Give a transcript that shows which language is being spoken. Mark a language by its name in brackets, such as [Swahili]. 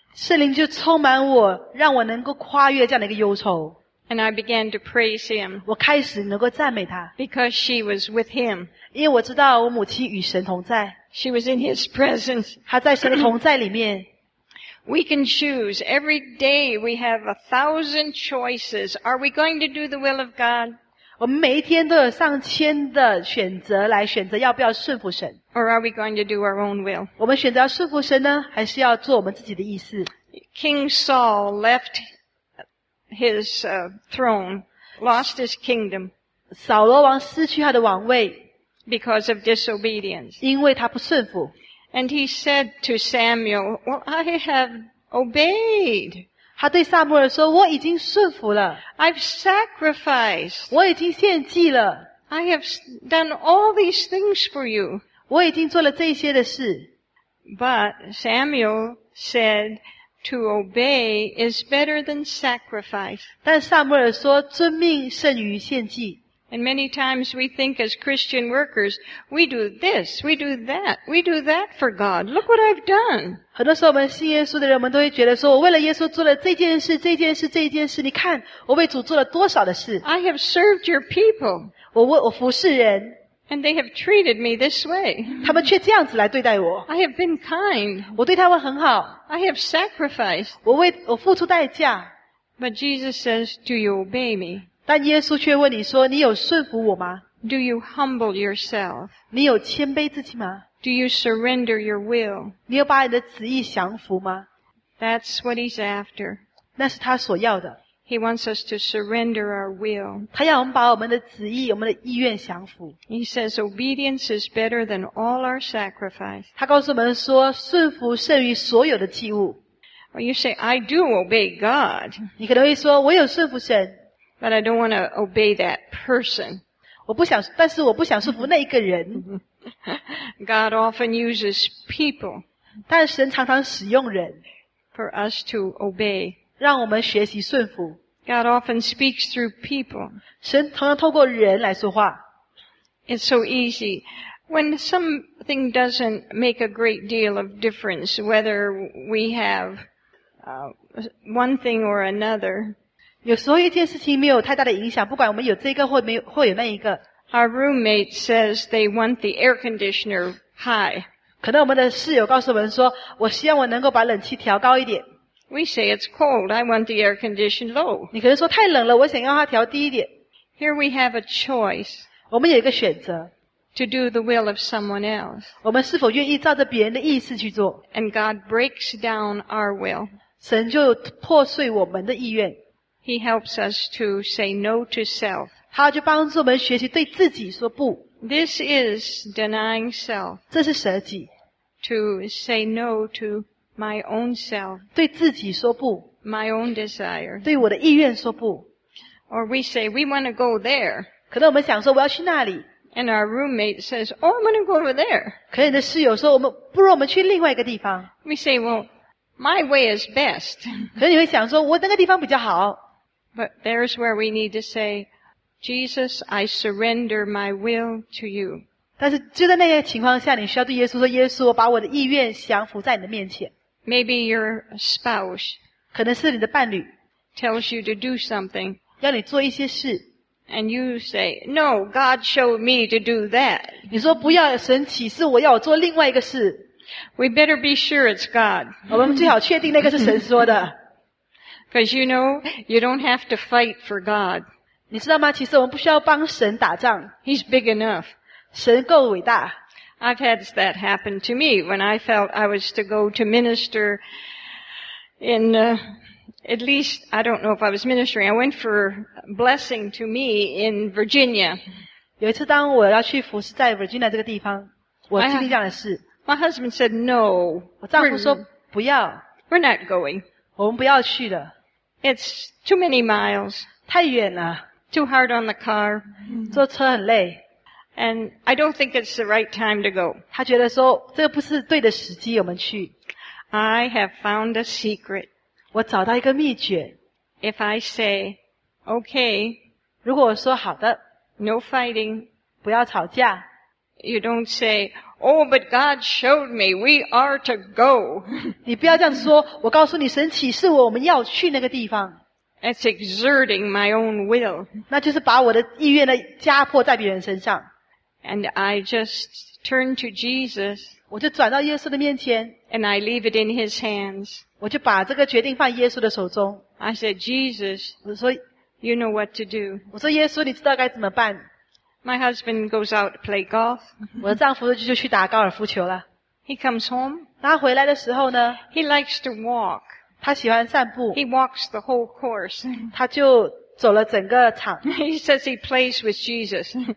[Chinese] 圣灵就充满我,让我能够跨越这样的一个忧愁。 [English] And I began to praise him. [Chinese] 我开始能够赞美他。 [English] Because she was with him. [Chinese] 因为我知道我母亲与神同在。 [English] She was in his presence. [Chinese] 她在神的同在里面。 [English] We can choose. Every day we have 1,000 choices. Are we going to do the will of God? [Chinese] 我们每一天都有上千的选择来选择要不要顺服神。 [English] Or are we going to do our own will? [Chinese] 我们选择要顺服神呢还是要做我们自己的意思。 [English] King Saul left his throne, lost his kingdom. [Chinese] 扫罗王失去他的王位。 [English] Because of disobedience. [Chinese] 因为他不顺服。 [English] And he said to Samuel, well, I have obeyed. [Chinese] 他对撒母耳说我已经顺服了。 [English] I've sacrificed. [Chinese] 我已经献祭了。 [English] I have done all these things for you. [Chinese] 我已经做了这些的事。 [English] But Samuel said, to obey is better than sacrifice. [Chinese] 但撒母耳说遵命胜于献祭。 [English] And many times we think as Christian workers, we do this, we do that for God. Look what I've done. [Chinese] 很多时候我们信耶稣的人我们都会觉得说我为了耶稣做了这件事这件事这件事你看我为主做了多少的事。 [English] I have served your people. [Chinese] 我服侍人。 [English] And they have treated me this way. [Chinese] 他们却这样子来对待我。 [English] I have been kind. [Chinese] 我对他们很好。 [English] I have sacrificed. [Chinese] 我付出代价。 [English] But Jesus says, do you obey me? [Chinese] 但耶稣却问你说你有顺服我吗 [English] Do you humble yourself? [Chinese] 你有谦卑自己吗 [English] Do you surrender your will? [Chinese] 你有把你的旨意降服吗 [English] That's what he's after. [Chinese] 那是他所要的。 [English] He wants us to surrender our will. [Chinese] 他要我们把我们的旨意我们的意愿降服。 [English] He says obedience is better than all our sacrifice. [Chinese] 他告诉我们说顺服胜于所有的祭物。 [English] Or you say, I do obey God. [Chinese] 你可能会说我有顺服神。 [English] But I don't want to obey that person. [Chinese] 我不想，但是我不想顺服那一个人。 [English] God often uses people. [Chinese] 但神常常使用人。 [English] For us to obey. [Chinese] 让我们学习顺服。 [English] God often speaks through people. [Chinese] 神常常透过人来说话。 [English] It's so easy. When something doesn't make a great deal of difference, whether we have one thing or another, [Chinese] 有时候一件事情没有太大的影响，不管我们有这个或没有或有那一个。 [English] Our roommate says they want the air conditioner high. [Chinese] 可能我们的室友告诉我们说，我希望我能够把冷气调高一点。 [English] We say it's cold. I want the air conditioner low. [Chinese] 你可能说太冷了，我想要它调低一点。 [English] Here we have a choice. [Chinese] 我们有一个选择。 [English] To do the will of someone else. [Chinese] 我们是否愿意照着别人的意思去做 [English] ？And God breaks down our will. [Chinese] 神就破碎我们的意愿。 [English] He helps us to say no to self. [Chinese] 他就帮助我们学习对自己说不。 [English] This is denying self. [Chinese] 这是舍己。 [English] To say no to my own self. [Chinese] 对自己说不。 [English] My own desire. [Chinese] 对我的意愿说不。 [English] Or we say, we want to go there. [Chinese] 可能我们想说我要去那里。 [English] And our roommate says, oh, I'm going to go over there. [Chinese] 可能你的室友说我们不如我们去另外一个地方。 [English] We say, well,My way is best. [Chinese] 可能你会想说我那个地方比较好。 [English] But there's where we need to say, Jesus, I surrender my will to you. [Chinese] 但是就在那些情况下你需要对耶稣说耶稣我把我的意愿降服在你的面前。 [English] Maybe your spouse [Chinese] 可能是你的伴侣 [English] tells you to do something. [Chinese] 要你做一些事。 [English] And you say, no, God showed me to do that. [Chinese] 你说不要神启示我要我做另外一个事。 [English] We better be sure it's God. [Chinese] 我们最好确定那个是神说的。 [English] Because you know, you don't have to fight for God. [Chinese] 你知道吗？其实我们不需要帮神打仗。 [English] He's big enough. [Chinese] 神够伟大。 [English] I've had that happen to me when I felt I was to go to minister in, at least, I don't know if I was ministering, I went for blessing to me in Virginia. [Chinese] 有一次当我要去服侍在 Virginia 这个地方，我经历这样的事。 [English] My husband said, no. [Chinese] 我丈夫说不要。 [English] We're not going. [Chinese] 我们不要去的。 [English] It's too many miles. [Chinese] 太远了。 [English] Too hard on the car. [Chinese] 坐车很累。 [English] And I don't think it's the right time to go. [Chinese] 他觉得说这不是对的时机我们去。 [English] I have found a secret. [Chinese] 我找到一个秘诀。 [English] If I say, okay. [Chinese] 如果我说好的。 [English] No fighting. [Chinese] 不要吵架。 [English] You don't say,Oh, but God showed me we are to go. [Chinese] 你不要这样说，我告诉你，神启示我，我们要去那个地方。 [English] It's exerting my own will. [Chinese] 那就是把我的意愿呢压迫在别人身上。 [English] And I just turn to Jesus. [Chinese] 我就转到耶稣的面前。 [English] And I leave it in His hands. [Chinese] 我就把这个决定放耶稣的手中。 [English] I said, Jesus. [Chinese] 我说 [English] ，You know what to do. [Chinese] 我说耶稣，你知道该怎么办。 [English] My husband goes out to play golf. [Chinese] 我的丈夫就去打高尔夫球了。 [English] He comes home. [Chinese] 他回来的时候呢 [English] ？He likes to walk. [Chinese] 他喜欢散步。 [English] He walks the whole course. [Chinese] 他就走了整个场。 [English] He says he plays with Jesus.